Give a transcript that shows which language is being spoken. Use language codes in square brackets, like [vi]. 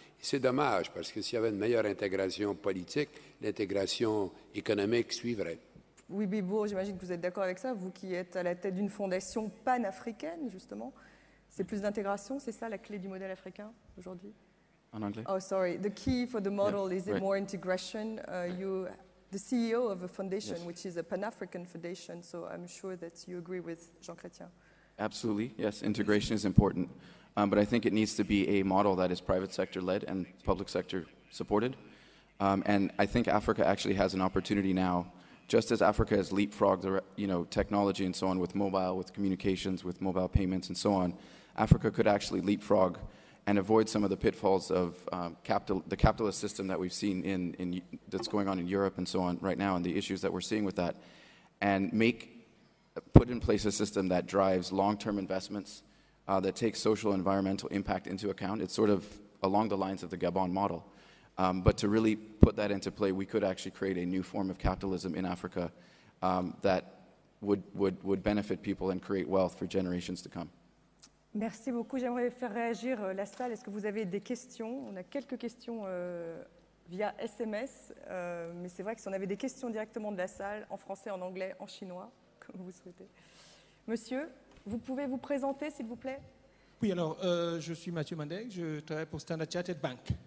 [fr] C'est dommage, parce que s'il y avait une meilleure intégration politique, l'intégration économique suivrait. Oui, Bibo, j'imagine que vous êtes d'accord avec ça, vous qui êtes à la tête d'une fondation panafricaine, justement. C'est plus d'intégration, c'est ça la clé du modèle africain aujourd'hui? En anglais? [en] Oh, sorry. The key for the model is it more integration. The CEO of a foundation, which is a pan-African foundation, so I'm sure that you agree with Jean Chrétien. Absolutely, yes, integration is important. But I think it needs to be a model that is private sector led and public sector supported. And I think Africa actually has an opportunity now, just as Africa has leapfrogged technology and so on with mobile, with communications, with mobile payments and so on, Africa could actually leapfrog and avoid some of the pitfalls of the capitalist system that we've seen in that's going on in Europe and so on right now, and the issues that we're seeing with that, and put in place a system that drives long-term investments, that takes social and environmental impact into account. It's sort of along the lines of the Gabon model. But to really put that into play, we could actually create a new form of capitalism in Africa that would benefit people and create wealth for generations to come. [fr] Merci beaucoup. J'aimerais faire réagir la salle. Est-ce que vous avez des questions? On a quelques questions via SMS, mais c'est vrai que si on avait des questions directement de la salle, en français, en anglais, en chinois, comme vous souhaitez. Monsieur, vous pouvez vous présenter, s'il vous plaît? Oui, alors, je suis Mathieu Mandek, je travaille pour Standard Chartered Bank.